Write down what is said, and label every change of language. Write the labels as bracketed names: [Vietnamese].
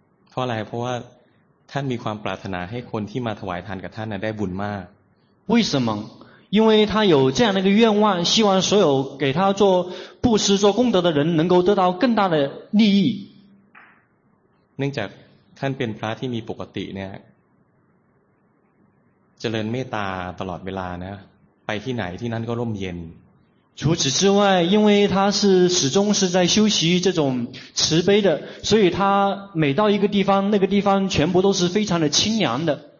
[Thai] เพราะอะไรเพราะว่าท่านมีความปรารถนาให้คนที่มาถวายทานกับท่านได้บุญมาก [Chinese] 为什么？因为他有这样的一个愿望，希望所有给他做布施、做功德的人能够得到更大的利益。 [Thai] เนื่องจากท่านเป็นพระที่มีปกติเนี่ยเจริญเมตตาตลอดเวลานะไปที่ไหนที่นั่นก็ร่มเย็น [Chinese] 除此之外，因为他是始终是在修习这种慈悲的，所以他每到一个地方，那个地方全部都是非常的清凉的。